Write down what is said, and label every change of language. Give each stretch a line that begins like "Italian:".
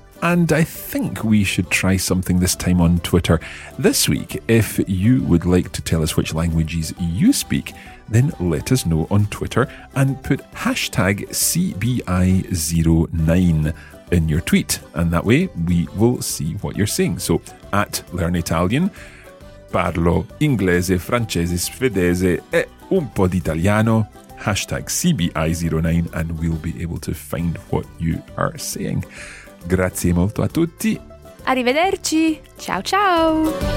English: And I think we should try something this time on Twitter. This week, if you would like to tell us which languages you speak, then let us know on Twitter and put hashtag CBI09 in your tweet. And that way we will see what you're saying. So at
Italian: Learn Italian, parlo inglese, francese, svedese e un po' d'italiano.
English: Hashtag CBI09 and we'll be able to find what you are saying.
Italian: Grazie molto a tutti. Arrivederci. Ciao ciao.